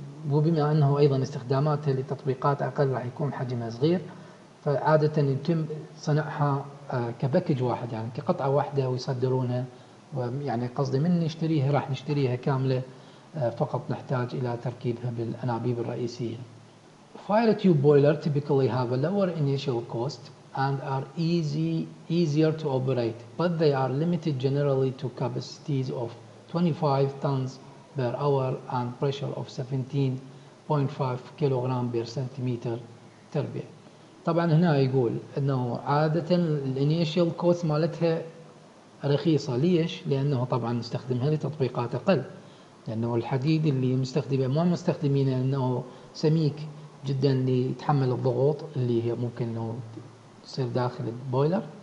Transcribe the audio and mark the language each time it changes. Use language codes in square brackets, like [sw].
[ar] وبما أنه أيضا استخداماته لتطبيقات أقل راح يكون حجمها صغير، فعادة يتم صنعها كباكج واحد يعني كقطعة واحدة ويصدرونها. ويعني قصدي من نشتريها راح نشتريها كاملة، فقط نحتاج إلى تركيبها بالأنابيب الرئيسية. [en] Fire tube boiler typically have a lower initial cost and are easier to operate, but they are limited generally to capacities of 25 tons per hour and pressure of 17.5 kilogram per centimeter تربيع. [ar] طبعا هنا يقول انه عادة الانيشال كوست مالتها رخيصة، ليش؟ لانه طبعا نستخدمها لتطبيقات اقل، لانه الحديد اللي مستخدمه ما مستخدمينه انه سميك جدا ليتحمل الضغوط اللي هي ممكن انه تصير داخل البويلر.